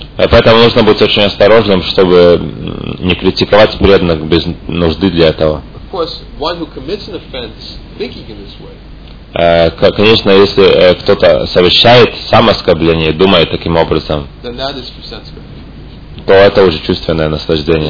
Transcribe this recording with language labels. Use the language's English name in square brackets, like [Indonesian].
[Russian] Поэтому нужно быть очень осторожным, чтобы не критиковать преданных без нужды для этого. [English] Of course, one who commits an offense thinking in this way. [Russian] Конечно, если кто-то совершает самооскорбление, думает таким образом, [English] then that is for sense gratification. [Russian] То это уже чувственное наслаждение.